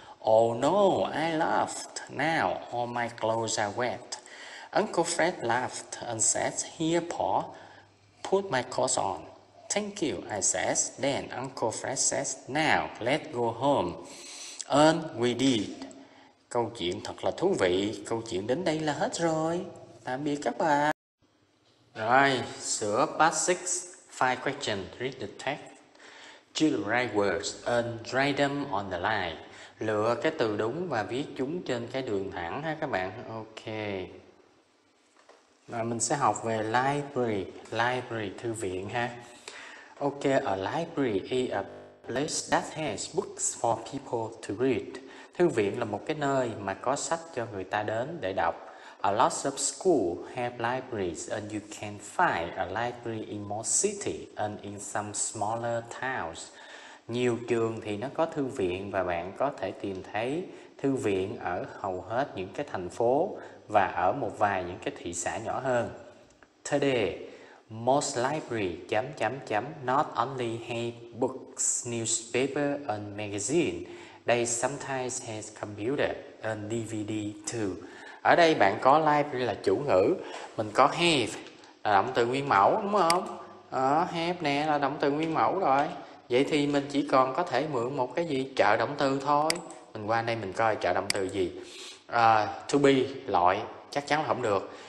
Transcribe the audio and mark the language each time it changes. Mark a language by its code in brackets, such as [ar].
[en] Oh no, I laughed. Now all my clothes are wet. Uncle Fred laughed and said, here, Paul, put my clothes on. Thank you, I said. Then Uncle Fred said, now let's go home. And we did. [vi] Câu chuyện thật là thú vị. Câu chuyện đến đây là hết rồi. Tạm biệt các bạn. Rồi, sửa part 6. [en] 5 questions. Read the text. Choose the right words and write them on the line. [vi] Lựa cái từ đúng và viết chúng trên cái đường thẳng ha các bạn. Ok. Rồi mình sẽ học về library. Library, thư viện ha. [en] Ok, a library is a place that has books for people to read. [vi] Thư viện là một cái nơi mà có sách cho người ta đến để đọc. [en] A lot of schools have libraries and you can find a library in most cities and in some smaller towns. [vi] Nhiều trường thì nó có thư viện và bạn có thể tìm thấy thư viện ở hầu hết những cái thành phố và ở một vài những cái thị xã nhỏ hơn. [en] Today, most libraries not only have books, newspaper and magazine, they sometimes have computer and DVD too. [vi] Ở đây bạn có library là chủ ngữ, mình có have là động từ nguyên mẫu đúng không? Have nè là động từ nguyên mẫu rồi. Vậy thì mình chỉ còn có thể mượn một cái gì? Trợ động từ thôi. Mình qua đây mình coi trợ động từ gì. To be, loại, chắc chắn là không được.